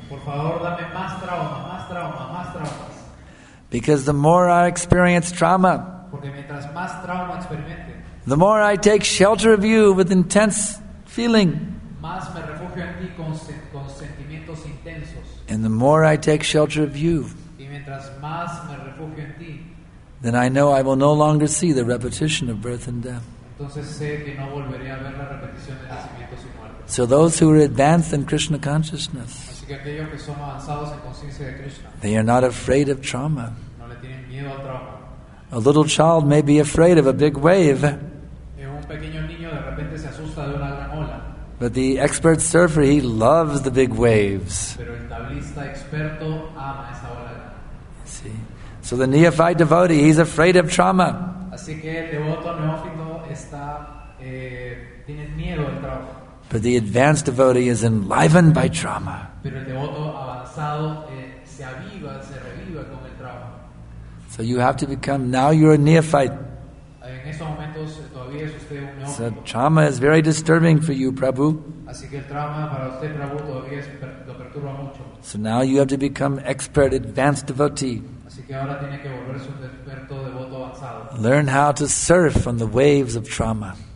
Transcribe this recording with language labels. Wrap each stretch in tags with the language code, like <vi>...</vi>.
<es>Por favor, dame más trauma, más trauma, más traumas.</es> <en>Because the more I experience trauma,</en> <es>porque mientras más trauma experimente,</es> <en>the more I take shelter of you with intense feeling.</en> <es>Más me refugio en ti con sentimientos intensos.</es> <en>And the more I take shelter of you,</en> <es>y mientras más me refugio en ti,</es> <en>then I know I will no longer see the repetition of birth and death.</en> <es>Entonces sé que no volveré a ver la repetición de nacimientos y muertes.</es> <en>So those who are advanced in Krishna consciousness,</en> <es>así que aquellos que son avanzados en conciencia de Krishna,</es> <en>they are not afraid of trauma.</en> <es>No le tienen miedo al trauma.</es> <en>A little child may be afraid of a big wave.</en> <es>Un pequeño niño de repente se asusta de una gran ola.</es> <en>But the expert surfer, he loves the big waves.</en> <es>Pero el tablista experto ama esa ola.</es> <en>See? So the neophyte devotee, he's afraid of trauma.</en> <es>Así que el devoto neófito está, tiene miedo al trauma.</es> <en>But the advanced devotee is enlivened by trauma.</en> <es>Pero el devoto avanzado, se aviva, se reviva con el trauma.</es> <en>So you have to become, now you're a neophyte.</en> <es>En estos momentos, todavía es usted un neófito.</es> <en>So trauma is very disturbing for you, Prabhu.</en> <es>Así que el trauma para usted, Prabhu, todavía es, lo perturba mucho.</es> <en>So now you have to become expert, advanced devotee.</en> <es>Así que ahora tiene que volverse un experto devoto avanzado.</es> <en>Learn how to surf on the waves of trauma.</en>